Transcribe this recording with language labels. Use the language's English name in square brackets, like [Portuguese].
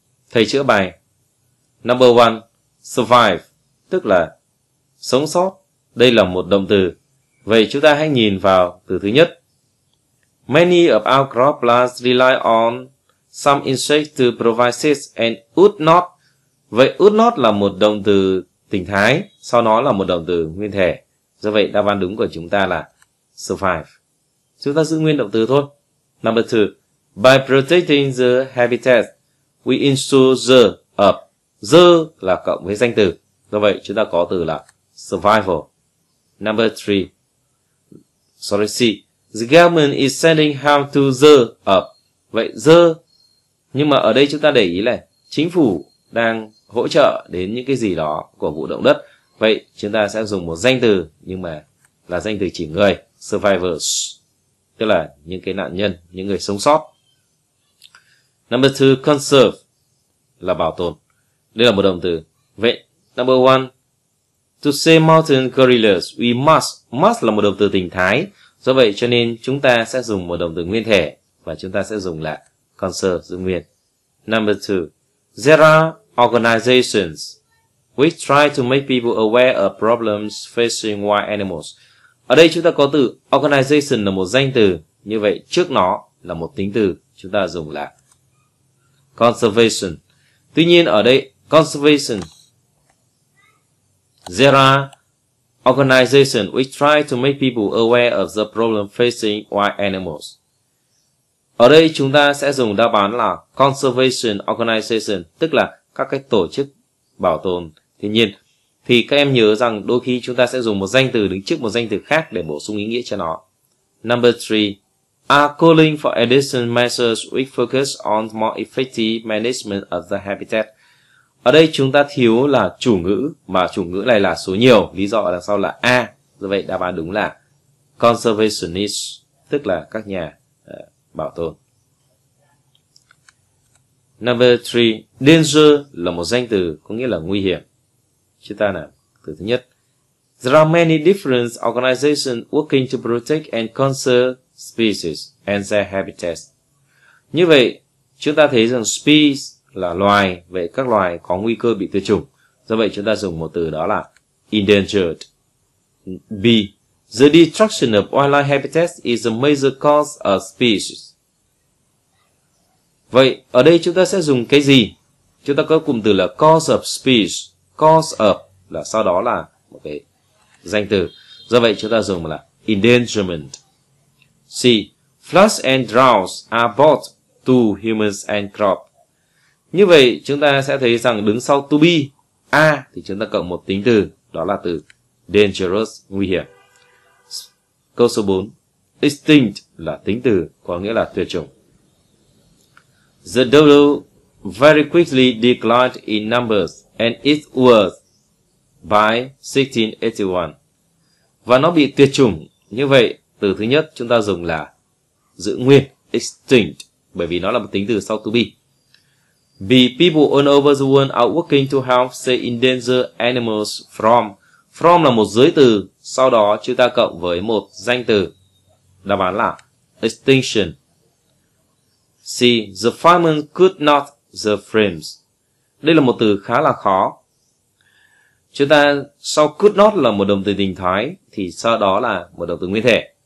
[Vietnamese] Thầy chữa bài. [English] Number 1. Survive. [Vietnamese] Tức là sống sót. Đây là một động từ. Vậy chúng ta hãy nhìn vào từ thứ nhất. [English] Many of our crop plants rely on some insects to provide seeds and would not. [Vietnamese] Vậy would not là một động từ tình thái, sau đó là một động từ nguyên thể. Do vậy đáp án đúng của chúng ta là survive. Chúng ta giữ nguyên động từ thôi. [English] Number 2. By protecting the habitat, we ensure the [Vietnamese] là cộng với danh từ. Do vậy chúng ta có từ là survival. [English] Number 3. Sorry, C. The government is sending help to the up. [Vietnamese] Vậy the, nhưng mà ở đây chúng ta để ý là chính phủ đang hỗ trợ đến những cái gì đó của vụ động đất. Vậy chúng ta sẽ dùng một danh từ, nhưng mà là danh từ chỉ người, survivors, tức là những cái nạn nhân, những người sống sót. [English] Number 2, [Vietnamese] conserve, là bảo tồn. Đây là một động từ. [English] Vậy, number 1, to say mountain gorillas, we must. [Vietnamese] Must là một động từ tình thái. Do vậy cho nên chúng ta sẽ dùng một động từ nguyên thể và chúng ta sẽ dùng là conserve, giữ nguyên. [English] Number 2, there are organizations which try to make people aware of problems facing wild animals. [Vietnamese] Ở đây chúng ta có từ organization là một danh từ, như vậy trước nó là một tính từ, chúng ta dùng là conservation. Tuy nhiên ở đây [English] conservation, there are organization which try to make people aware of the problem facing wild animals. [Vietnamese] Ở đây chúng ta sẽ dùng đáp án là conservation organization, tức là các cái tổ chức bảo tồn thiên nhiên. Thì các em nhớ rằng đôi khi chúng ta sẽ dùng một danh từ đứng trước một danh từ khác để bổ sung ý nghĩa cho nó. [English] Number 3. Are calling for additional measures which focus on more effective management of the habitat. [Vietnamese] Ở đây chúng ta thiếu là chủ ngữ, mà chủ ngữ này là số nhiều, lý do ở đằng sau là A. Do vậy đáp án đúng là conservationist, tức là các nhà bảo tồn. [English] Number 3. [Vietnamese] Danger là một danh từ, có nghĩa là nguy hiểm. Chúng ta nào, từ thứ nhất. [English] There are many different organizations working to protect and conserve species and their habitats. [Vietnamese] Như vậy, chúng ta thấy rằng species là loài, vậy các loài có nguy cơ bị tuyệt chủng. Do vậy chúng ta dùng một từ đó là endangered. B. [English] The destruction of wildlife habitats is a major cause of species. [Vietnamese] Vậy ở đây chúng ta sẽ dùng cái gì? Chúng ta có cụm từ là cause of species. Cause of là sau đó là một cái danh từ. Do vậy chúng ta dùng là endangerment. C. [English] Floods and droughts are both to humans and crops. [Vietnamese] Như vậy chúng ta sẽ thấy rằng đứng sau to be A thì chúng ta cộng một tính từ, đó là từ dangerous, nguy hiểm. Câu số 4. Extinct là tính từ, có nghĩa là tuyệt chủng. [English] The dodo very quickly declined in numbers and it was by 1681. [Vietnamese] Và nó bị tuyệt chủng. Như vậy từ thứ nhất chúng ta dùng là giữ nguyên extinct, bởi vì nó là một tính từ sau to be. B. [English] People all over the world are working to help save endangered animals from. [Vietnamese] From là một giới từ, sau đó chúng ta cộng với một danh từ. Đáp án là extinction. C. [English] The fireman could not the frames. [Vietnamese] Đây là một từ khá là khó. Chúng ta sau could not là một động từ tình thái, thì sau đó là một động từ nguyên thể.